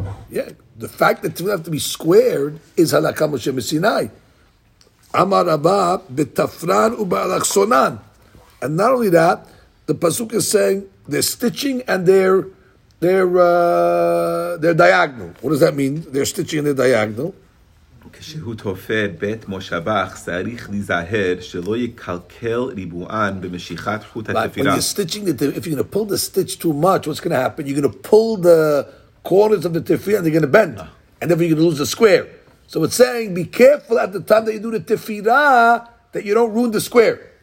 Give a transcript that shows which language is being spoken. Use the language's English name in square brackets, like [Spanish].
[English] Yeah, the fact that tefillin have to be squared is halakam Moshe Sinai. [Aramaic] Amar Rabba betafran ubaalach sonan, [English] and not only that, the pasuk is saying. They're stitching and they're diagonal. What does that mean? They're stitching and they're diagonal. [Hebrew] כשהוא תופר בית מושבך, צריך להיזהר שלא יקלקל ריבוען במשיכת חוט התפירה. [English] When you're stitching it, if you're going to pull the stitch too much, what's going to happen? You're going to pull the corners of the tefillah and they're going to bend. And then you're going to lose the square. So it's saying, be careful at the time that you do the tefillah that you don't ruin the square.